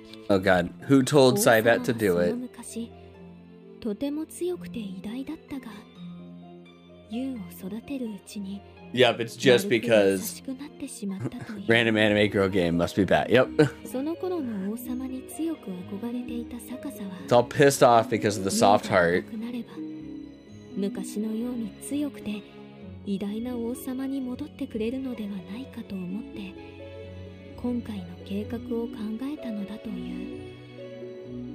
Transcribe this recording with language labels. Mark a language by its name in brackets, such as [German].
[English] Oh god, who told Saibat to do it? [Japanese] とても強くて偉大だったが、ユウを育てるうちに、 [English] Yep, it's just because random anime girl game must be bad. Yep. [Japanese] その頃の王様に強く憧れていたサカサは、 [English] It's all pissed off because of the soft heart. [Japanese] 昔のように強くて偉大な王様に戻ってくれるのではないかと思って今回の計画を考えたのだという。